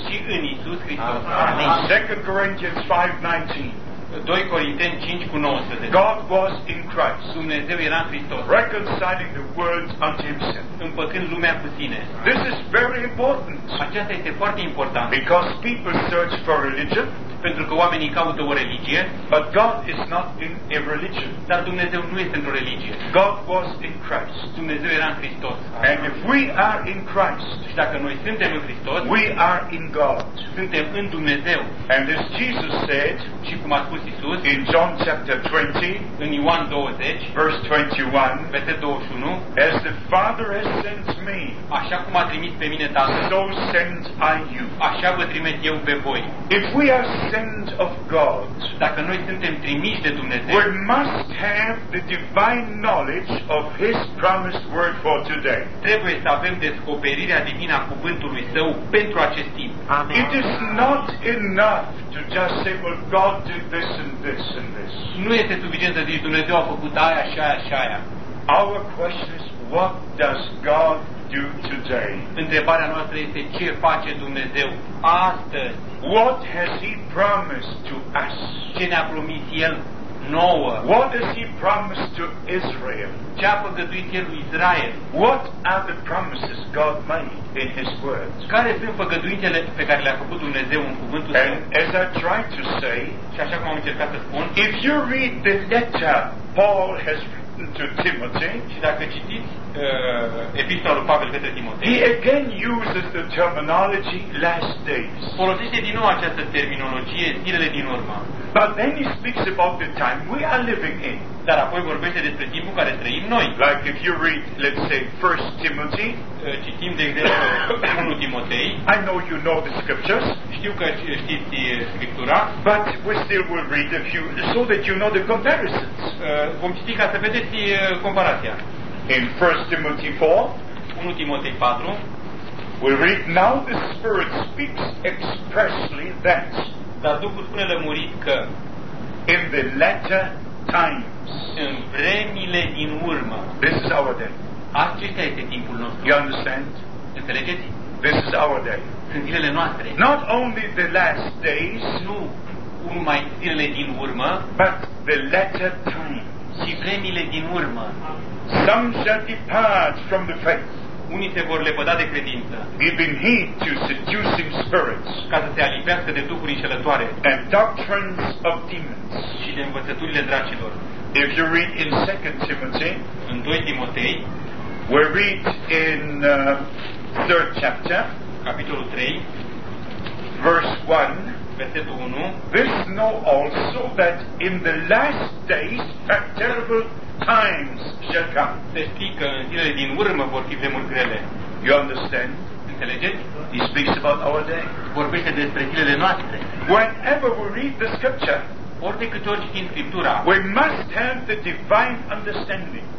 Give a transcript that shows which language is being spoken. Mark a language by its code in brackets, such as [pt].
[ro] Și în Iisus Hristos. [en] Amen. 2 Corinthians 5:19. [ro] 2 Corinteni 5 cu 19. [en] God was in Christ. [ro] Dumnezeu era în Hristos. [en] Reconciling the world unto Himself. [ro] Împăcând lumea cu Sine. [en] This is very important. [ro] Aceasta este foarte important. [en] Because people search for religion. [ro] Pentru că oamenii caută o religie. [en] But God is not in a religion. [ro] Dar Dumnezeu nu este într-o religie. [en] God was in Christ. [ro] Dumnezeu era în Hristos. [en] And if we are in Christ. [ro] Și dacă noi suntem în Hristos. [en] We are in God. [ro] Suntem în Dumnezeu. [en] And as Jesus said. [ro] Și cum a spus Iisus. [en] In John chapter 20. [ro] În Ioan 20. [en] Verse 21. [ro] Versetul 21. [en] As the Father has sent me. [ro] Așa cum a trimis pe mine Tatăl. [en] So send I you. [ro] Așa vă trimit eu pe voi. [en] If we are sent of God. [ro] Dacă noi suntem trimiși de Dumnezeu, [en] we must have the divine knowledge of His promised word for today. [ro] Trebuie să avem descoperirea divină a cuvântului Său pentru acest timp. [en] Amen. It is not enough to just say, well, God did this and this and this. [ro] Nu este suficient să zici Dumnezeu a făcut aia și aia și aia. [en] Our question is, what does God do today? [ro] Întrebarea noastră este ce face Dumnezeu astăzi? [en] What has He promised to us? [ro] Ce ne-a promis El nouă? [en] What has He promised to Israel? [ro] Ce a făgăduit El lui Israel? [en] What are the promises God made in His words? [ro] Care sunt făgăduințele pe care le-a făcut Dumnezeu în cuvântul Său? [en] And as I tried to say, [ro] și așa cum am încercat să spun, [en] if you read the letter Paul has written to Timothy, [ro] și dacă citiți epistola lui Pavel către Timotei. [en] He again uses the terminology last days. [ro] Folosește din nou această terminologie zilele din urmă. [en] But then he speaks about the time we are living in. [ro] Dar apoi vorbește despre timpul care trăim noi. [en] Like if you read, let's say, 1 Timothy. [ro] Citim de exemplu 1 Timotei. [en] I know you know the scriptures. [ro] Știu că știți Scriptura. [en] But we still will read a few so that you know the comparisons. [ro] Vom citi ca să vedeți comparația. [en] In 1 Timothy 4, [ro] 1 Timotei 4, [en] we read, now the Spirit speaks expressly that, [ro] dar Duhul spune lămurit că, [en] in the latter times, [ro] în vremile din urmă, [en] this is our day. [ro] Acesta este timpul nostru. [en] You understand? [ro] Înțelegeți? [en] This is our day. [ro] Sunt zilele noastre. [en] Not only the last days, [ro] nu numai zilele din urmă, [en] but the latter times. [ro] Și vremile din urmă. [en] Some shall depart from the faith. [ro] Unii se vor lepăda de credință. [en] Giving heed to seducing spirits. [ro] Ca să se alipească de duhuri înșelătoare. [en] And doctrines of demons. [ro] Și de învățăturile dracilor. [en] If you read in 2 Timothy, [ro] în 2 Timotei, [en] we read in third chapter, [ro] capitolul 3, [en] verse 1, [ro] versetul 1. [en] This know also that in the last days that terrible times shall come. [ro] Se știe că în zilele din urmă vor fi vremuri grele. [en] You understand? [ro] Înțelegeți? [en] He speaks about our day. [ro] Vorbește despre zilele noastre. [en] Whenever we read the scripture, [ro] ori de câte ori citim Scriptura, [en] we must have the divine understanding.